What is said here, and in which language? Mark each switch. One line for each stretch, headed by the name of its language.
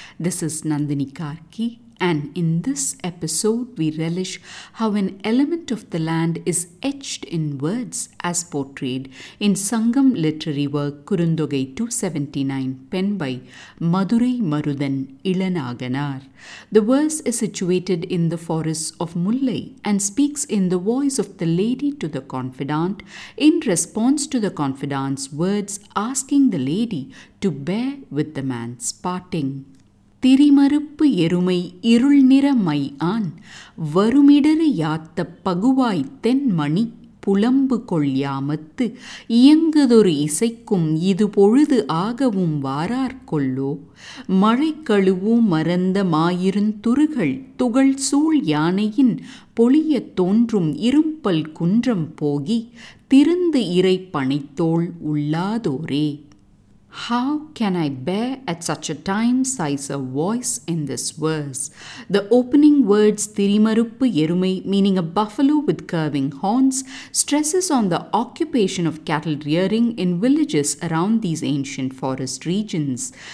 English: This is Nandini Karki, and in this episode we relish how an element of the land is etched in words as portrayed in Sangam literary work Kurundogai 279, penned by Madurai Marudan Ilanaganar. The verse is situated in the forests of Mullai and speaks in the voice of the lady to the confidant in response to the confidant's words asking the lady to bear with the man's parting.
Tamil: திரிமறுப்பு எருமை இருள் நிறமை on வருமிடறு யாத்த பகுவாய்த்தென்மணி புலம்பு கொள்யாமத்து இயங்குதொரு இசைக்கும் இது பொழுது ஆகவும் வாரார்கொள்ளோ மழைக்கழுவூ மறந்த மாயிருந்துருகள் துகள் சூழ் யானையின் பொழியத் தோன்றும் இரும்பல் குன்றம் போகி திருந்து இறை பனைத்தோள் உள்ளாதோரே.
English: How can I bear at such a time size a voice in this verse? The opening words Thirimaruppu Erumai, meaning a buffalo with curving horns, stresses on the occupation of cattle rearing in villages around these ancient forest regions.